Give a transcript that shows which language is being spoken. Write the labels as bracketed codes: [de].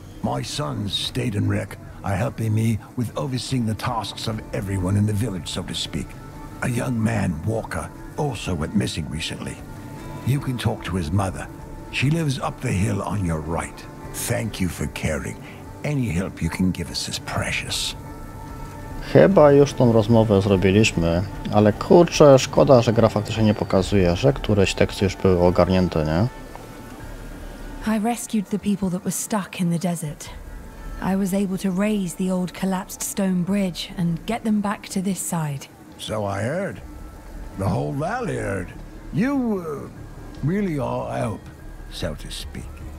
[en] My sons, Stade and Rick, are helping me with overseeing the tasks of everyone in the village, so to speak. A young man, Walker, also went missing recently. You can talk to his mother. She lives up the hill on your right. Thank you for caring. Any help you can give us is precious. [pl] Chyba już tą rozmowę zrobiliśmy, ale kurczę, szkoda, że gra faktycznie nie pokazuje, że któreś teksty już były ogarnięte, nie? [en] I rescued the people that were stuck in the desert. I was able to raise the old collapsed stone bridge and get them back to this side. So I heard. The whole valley heard. You really are help, so to speak.